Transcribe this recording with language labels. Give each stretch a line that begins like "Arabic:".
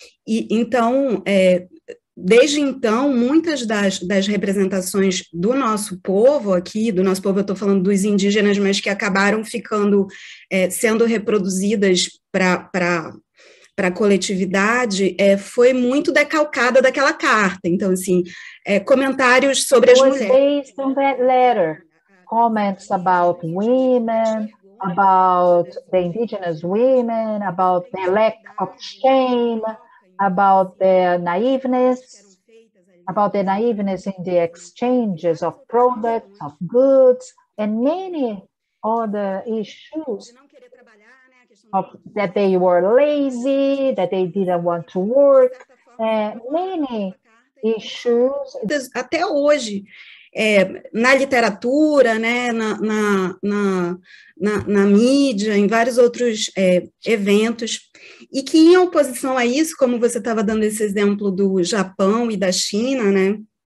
Portuguese: E, então, desde então, muitas das representações do nosso povo aqui, do nosso povo, eu estou falando dos indígenas, mas que acabaram ficando, sendo reproduzidas para a coletividade, foi muito decalcada daquela carta. Então, assim, comentários sobre as mulheres.
English: Based on that letter, comments about women, about the indigenous women, about the lack of shame, about their naiveness, in the exchanges of products, of goods, and many other issues of that they were lazy, that they didn't want to work, many issues.
Portuguese: Até hoje, na literatura, né, na mídia, em vários outros eventos, e que em oposição a isso, como você estava dando esse exemplo do Japão e da China, né?